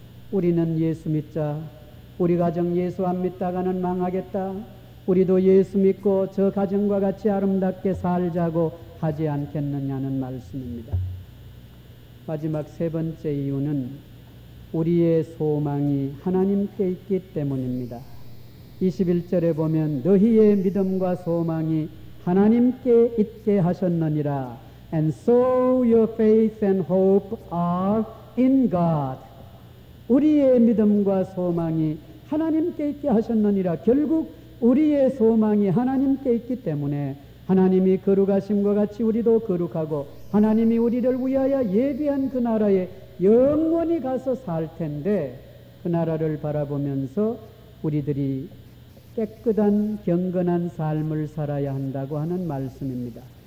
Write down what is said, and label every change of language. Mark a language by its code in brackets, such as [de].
[ko] 우리는 예수 믿자, 우리 가정 예수 안 믿다가는 망하겠다, 우리도 예수 믿고 저 가정과 같이 아름답게 살자고 하지 않겠느냐는 말씀입니다. 마지막 세 번째 이유는 우리의 소망이 하나님께 있기 때문입니다. 21절에 보면 너희의 믿음과 소망이 하나님께 있게 하셨느니라. [en] And so your faith and hope are in God. [ko] 우리의 믿음과 소망이 하나님께 있게 하셨느니라. 결국 우리의 소망이 하나님께 있기 때문에 하나님이 거룩하심과 같이 우리도 거룩하고 하나님이 우리를 위하여 예비한 그 나라에 영원히 가서 살 텐데, 그 나라를 바라보면서 우리들이 깨끗한 경건한 삶을 살아야 한다고 하는 말씀입니다.